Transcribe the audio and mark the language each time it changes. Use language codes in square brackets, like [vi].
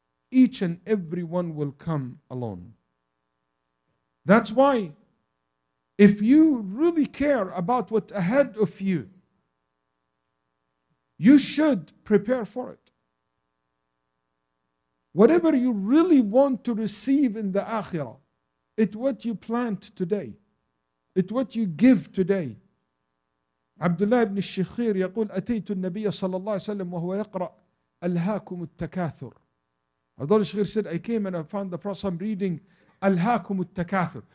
[en] Each and every one will come alone. That's why if you really care about what's ahead of you, you should prepare for it. Whatever you really want to receive in the Akhirah, it's what you plant today. It's what you give today. [ar] Abdullah ibn Shikhir يقول أتيت النبي صلى الله عليه وسلم وهو يقرأ ألهاكم التكاثر. [en] Abdullah Shikhir said, I came and I found the Prophet reading [ar] ألهاكم التكاثر.